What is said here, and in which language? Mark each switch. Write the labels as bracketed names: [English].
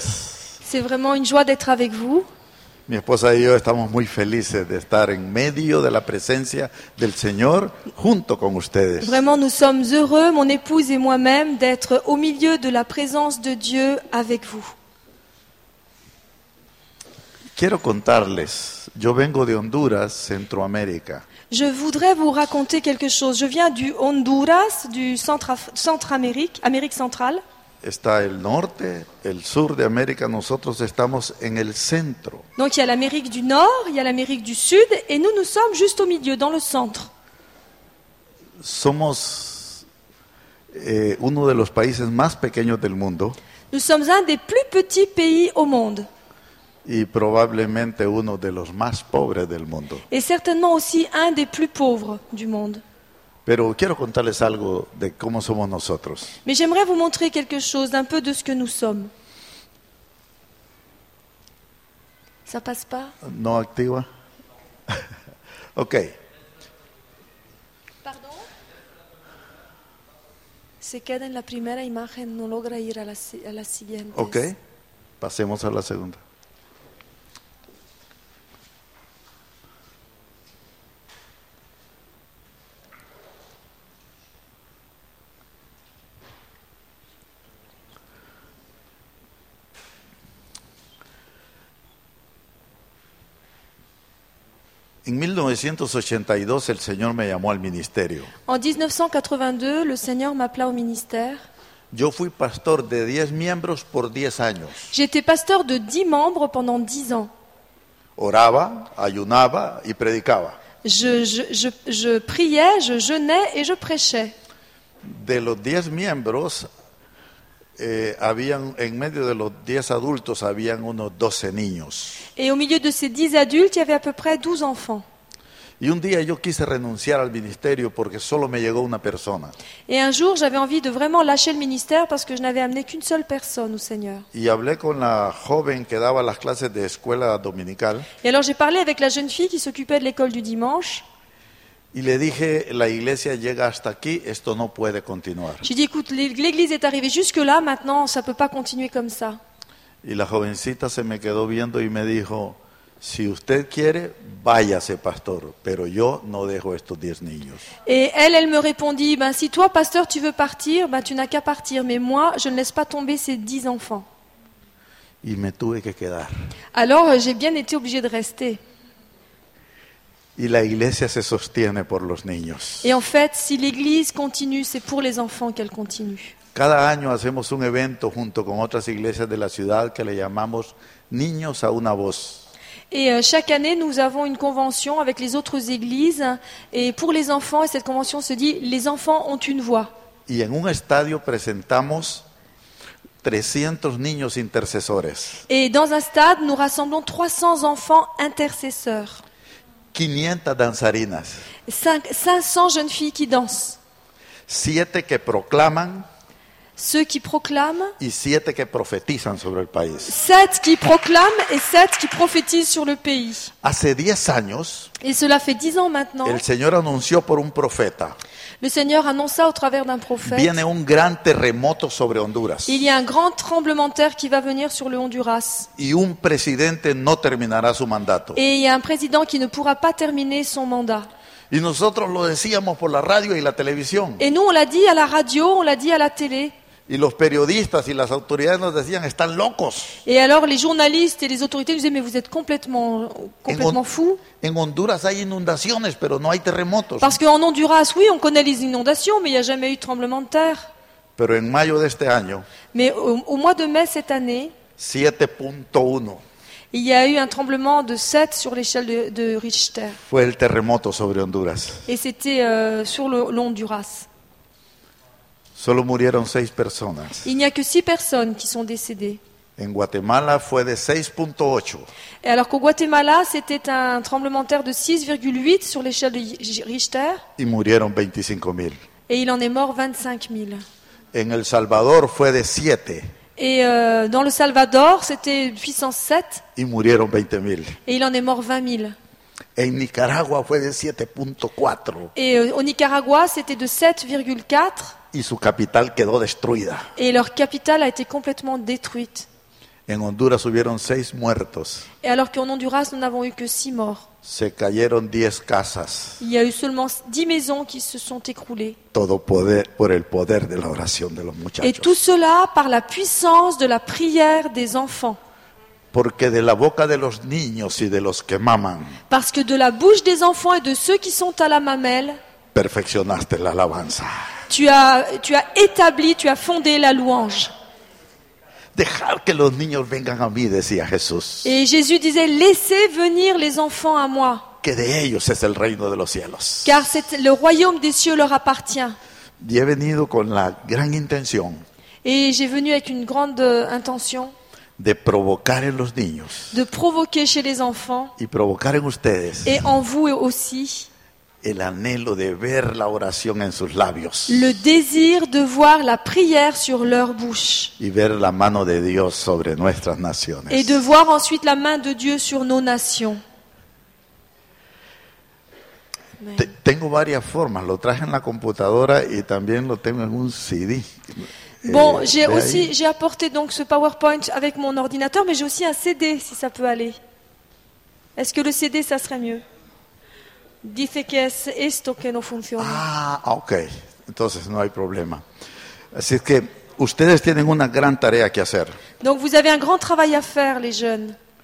[French] C'est vraiment une joie d'être avec vous. [Spanish] Mi esposa y yo estamos muy felices de estar en medio de la presencia del Señor junto con ustedes. [French] Vraiment, nous sommes heureux, mon épouse et moi-même, d'être au milieu de la présence de Dieu avec vous. [Spanish] Quiero contarles, yo vengo de Honduras, Centroamérica. [French] Je voudrais vous raconter quelque chose. Je viens du Honduras, du Centre-Amérique, Amérique centrale. [Spanish] Está el norte, el sur de América, nosotros estamos en el centro. [French] Donc il y a l'Amérique du Nord, il y a l'Amérique du Sud, et nous, nous sommes juste au milieu, dans le centre. [Spanish] Somos uno de los países más pequeños del mundo. [French] Nous sommes un des plus petits pays au monde. [Spanish] Y probablemente uno de los más pobres del mundo. [French] Et certainement aussi un des plus pauvres du monde. [Spanish] Pero quiero contarles algo de cómo somos nosotros. [French] Mais j'aimerais vous montrer quelque chose, un peu de ce que nous sommes. Ça passe pas? [Spanish] No activa. Ok. [French] Pardon? [Spanish] Se queda en la primera imagen, no logra ir a la siguiente. Ok. Pasemos a la segunda. En 1982, el Señor me llamó al ministerio. [French] En 1982, le Seigneur m'appela au ministère. [Spanish] Yo fui pastor de 10 miembros por 10 años. [French] J'étais pasteur de 10 membres pendant 10 ans. [Spanish] Oraba, ayunaba y predicaba. [French] Je priais, je jeûnais et je prêchais. [Spanish] De los 10 miembros, habían en medio de los 10 adultos habían unos 12 niños. [French] Et au milieu de ces 10 adultes, il y avait à peu près 12 enfants. [Spanish] Y un día yo quise renunciar al ministerio porque solo me llegó una persona. [French] Et un jour, j'avais envie de vraiment lâcher le ministère parce que je n'avais amené qu'une seule personne au Seigneur. [Spanish] Y hablé con la joven que daba las clases de escuela dominical. [French] Et alors j'ai parlé avec la jeune fille qui s'occupait de l'école du dimanche. [Spanish] Y le dije, la iglesia llega hasta aquí, esto no puede continuar. [French] J'ai dit, écoute, l'église est arrivée jusque là, maintenant ça ne peut pas continuer comme ça. [Spanish] Y la jovencita se me quedó viendo y me dijo, si usted quiere, váyase, pastor, pero yo no dejo estos 10 niños. [French] Et elle me répondit, ben, si toi, pasteur, tu veux partir, ben, tu n'as qu'à partir, mais moi, je ne laisse pas tomber ces 10 enfants. [Spanish] Y me tuve que quedar. [French] Alors j'ai bien été obligée de rester. [Spanish] Y la iglesia se sostiene por los niños. [French] Et en fait, si l'église continue, c'est pour les enfants qu'elle continue. [Spanish] Cada año hacemos un evento junto con otras iglesias de la ciudad que le llamamos Niños a una voz. [French] Et chaque année, nous avons une convention avec les autres églises et pour les enfants, et cette convention se dit les enfants ont une voix. [Spanish] Y en un estadio presentamos 300 niños intercesores. [French] Et dans un stade, nous rassemblons 300 enfants intercesseurs. [Spanish] 500 danzarinas. [French] 500 jeunes filles qui dansent. [Spanish] 7 que proclaman. [French] Ceux qui proclament. [Spanish] Y 7 que profetizan sobre el país. [French] 7 qui proclament et 7 qui prophétisent sur le pays. [Spanish] Hace 10 años. [French] Et cela fait 10 ans maintenant. [Spanish] El Señor anunció por un profeta. [French] Le Seigneur annonça au travers d'un prophète. [Spanish] Viene un gran terremoto sobre Honduras. [French] Il y a un grand tremblement de terre qui va venir sur le Honduras. [Spanish] Y un presidente no terminará su mandato. [French] Et il y a un président qui ne pourra pas terminer son mandat. [Spanish] Y nosotros lo decíamos por la radio y la televisión. [French] Et nous, on l'a dit à la radio, on l'a dit à la télé. [Spanish] Y los periodistas y las autoridades nos decían, están locos. [French] Et alors les journalistes et les autorités nous disaient, mais vous êtes complètement fous. [Spanish] En Honduras hay inundaciones, pero no hay terremotos. [French] Parce qu'en Honduras, oui, on connaît les inondations, mais il n'y a jamais eu de tremblement de terre. [Spanish] Pero en mayo de este año, [French] mais au mois de mai cette année, [Spanish] 7.1. [French] Il y a eu un tremblement de 7 sur l'échelle de Richter. [Spanish] Fue el terremoto sobre Honduras. [French] Et c'était sur l'Honduras. [Spanish] Solo murieron 6 personas. [French] Il n'y a que 6 personnes qui sont décédées. [Spanish] En Guatemala fue de 6.8. [French] Et alors qu'au Guatemala, c'était un tremblement de terre de 6.8 sur l'échelle de Richter. [Spanish] Y murieron 25 000. [French] Et il en est mort 25 000. [Spanish] En El Salvador fue de 7. [French] Et dans le Salvador, c'était puissance 7. [Spanish] Y murieron 20 000. [French] Et il en est mort 20 000. [Spanish] En Nicaragua fue de 7.4. [French] Et au Nicaragua, c'était de 7.4. [Spanish] y su capital quedó destruida. [French] Et leur capitale a été complètement détruite. [Spanish] En Honduras hubieron 6 muertos. [French] Et alors qu'en Honduras, nous n'avons eu que 6 morts. [Spanish] Se cayeron 10 casas. [French] Il y a eu seulement 10 maisons qui se sont écroulées. [Spanish] Todo poder por el poder de la oración de los muchachos. [French] Et tout cela par la puissance de la prière des enfants. [Spanish] Porque de la boca de los niños y de los que maman. [French] Parce que de la bouche des enfants et de ceux qui sont à la mamelle. [Spanish] Perfeccionaste la alabanza. [French] Tu as établi, tu as fondé la louange. [Spanish] Dejar que los niños vengan a mí, decía Jesús. [French] Et Jésus disait, laissez venir les enfants à moi. [Spanish] Que de ellos es el reino de los cielos. [French] Car c'est le royaume des cieux leur appartient. [Spanish] Y he venido con la gran intención. [French] Et j'ai venu avec une grande intention. [Spanish] De provocar en los niños. [French] De provoquer chez les enfants. [Spanish] Y provocar en ustedes. [French] Et en vous aussi. [Spanish] El anhelo de ver la oración en sus labios. [French] Le désir de voir la prière sur leur bouche. [Spanish] Y ver la mano de Dios sobre nuestras naciones. [French] Et de voir ensuite la main de Dieu sur nos nations. [Spanish] Tengo varias formas, lo traje en la computadora y también lo tengo en un CD. [French] Bon, j'ai apporté donc ce PowerPoint avec mon ordinateur, mais j'ai aussi un CD, si ça peut aller. Est-ce que le CD, ça serait mieux? [Spanish] Dice que es esto que no funciona. Ah, ok. Entonces no hay problema. Así que ustedes tienen una gran tarea que hacer. [French] Donc vous avez un grand travail à faire, les jeunes.